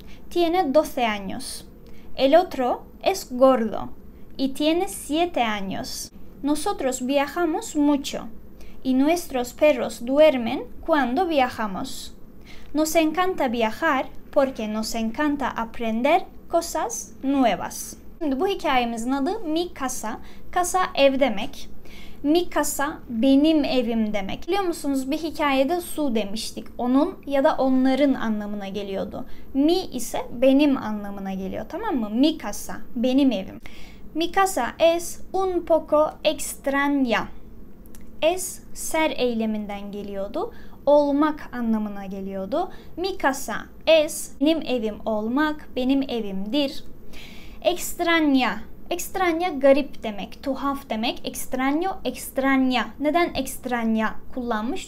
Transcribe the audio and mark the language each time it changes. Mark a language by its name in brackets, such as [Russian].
[Spanish] Tiene 12 años. El otro es gordo y tiene 7 años. Nosotros viajamos mucho y nuestros perros duermen cuando viajamos. Nos encanta viajar porque nos encanta aprender cosas nuevas. [Turkish] Şimdi bu hikayemizin adı Mi Casa. Casa ev demek. [Spanish] Mi casa [Turkish] benim evim demek. Biliyor musunuz bir hikayede su demiştik. Onun ya da onların anlamına geliyordu. Mi ise benim anlamına geliyor, tamam mı? [Spanish] Mi casa [Turkish] benim evim. [Spanish] Mi casa es un poco extraña. [Turkish] Es ser eyleminden geliyordu. Olmak anlamına geliyordu. [Spanish] Mi casa es [Turkish] benim evim olmak, benim evimdir. Extraña. Extraña garip demek, tuhaf demek. [Spanish] Extraño, extraña. [Turkish] Neden extraña kullanmış?